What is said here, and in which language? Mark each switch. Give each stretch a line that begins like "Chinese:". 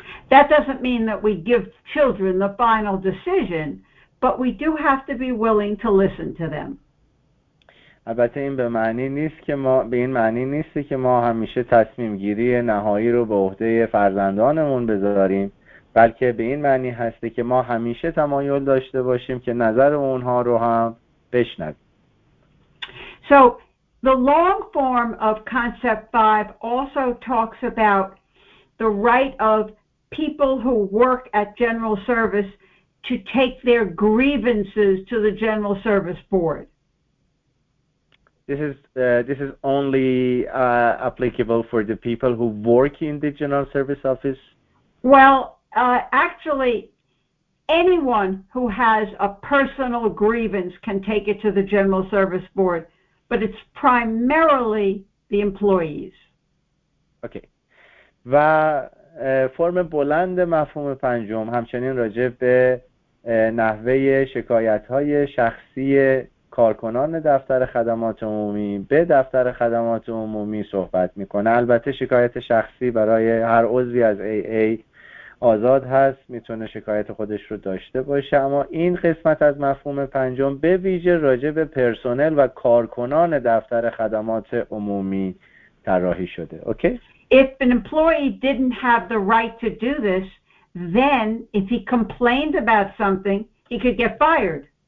English: That doesn't mean that we give children the final decision, but we do have to be willing to listen to them.
Persian: البته این به معنی نیست که ما به این معنی نیست که ما همیشه تصمیم گیری نهایی رو به عهده فرزندانمون بذاریم، بلکه به این معنی هست که ما همیشه تمایل داشته باشیم که نظر اونها رو هم بشنویم.
English: So the long form of concept 5 also talks about the right of people who work at General Service to take their grievances to the General Service Board. This is only applicable for the people who work in the General Service Office. Well, actually, anyone who has a personal grievance can take it to the General Service Board, but it's primarily the employees. Okay.
Persian: و فرم بلند مفهوم پنجم همچنین راجع به نحوه شکایت‌های شخصی کارکنان دفتر خدمات عمومی به دفتر خدمات عمومی صحبت میکنه. البته شکایت شخصی برای هر عضوی از AA آزاد هست، میتونه شکایت خودش رو داشته باشه. اما این قسمت از مفهوم پنجم به ویژه راجع به پرسنل و کارکنان دفتر خدمات عمومی طراحی شده. اوکی؟
English: If an employee didn't have the right to do this, then if he complained about something, he could get fired.